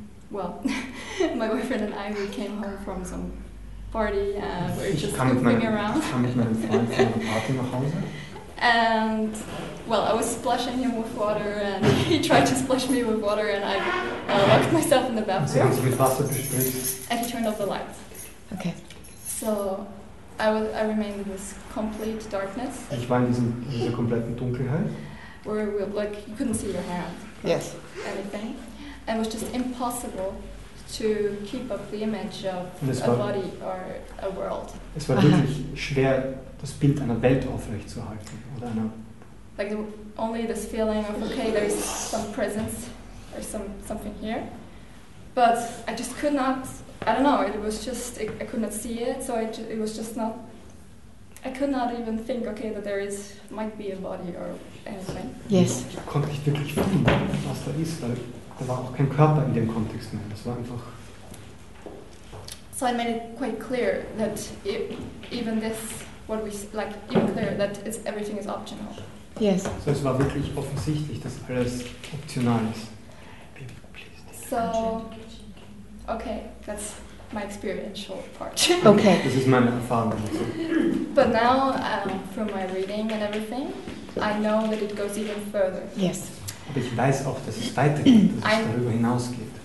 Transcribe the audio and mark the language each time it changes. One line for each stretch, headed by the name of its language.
English: Well, my boyfriend and I, we came home from some party and we're just moving around.
German: Ich kam mit meinem Freund von einer Party nach Hause.
English: And well, I was splashing him with water and he tried to splash me with water and I locked myself in the bathroom.
German: Sie haben sich mit Wasser besprüht.
English: And he turned off the lights. Okay. So I remained in this complete darkness.
German: Ich war in dieser kompletten Dunkelheit.
English: Where we, like you couldn't see your hand. Yes. Anything. And it was just impossible to keep up the image of a body or a world.
German: Es war wirklich schwer, das Bild einer Welt aufrechtzuerhalten oder einer.
English: Like only this feeling of okay, there's some presence or something here, but I just could not. I don't know. It was just I could not see it, so it was just not. I could not even think, okay, that there is might be a body or anything. Yes.
German: Ich konnte nicht wirklich fühlen, was da ist, weil da war auch kein Körper in dem Kontext mehr. Das war einfach.
English: So I made it quite clear that even this, what we like, even clear that it's everything is optional. Yes.
German: So es war wirklich offensichtlich, dass alles optional ist.
English: Baby, please. So. Okay, that's my experiential part. Okay. This is my Erfahrung. But now, from my reading and everything, I know that it goes even further. Yes.
German: Aber ich weiß auch, dass es weitergeht, dass es darüber hinausgeht.